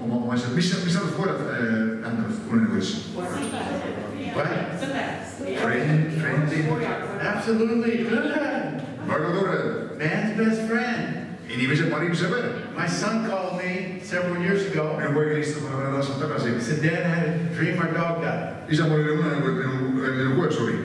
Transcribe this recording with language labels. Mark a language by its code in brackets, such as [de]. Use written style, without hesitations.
[et] Oma asjad, mis sa oled koorad endav unenägudes? [en] What? Friendly. Absolutely. [et] Väga tore. [en] Man's best friend. [et] Inimese parim sõber. [en] My son called me several years ago. [et] Minu poeg helistas mulle mõned aastad tagasi. [en] He said, Dad, I had a dream our dog died. [et] Isa mul oli unenägude, minu koer suri.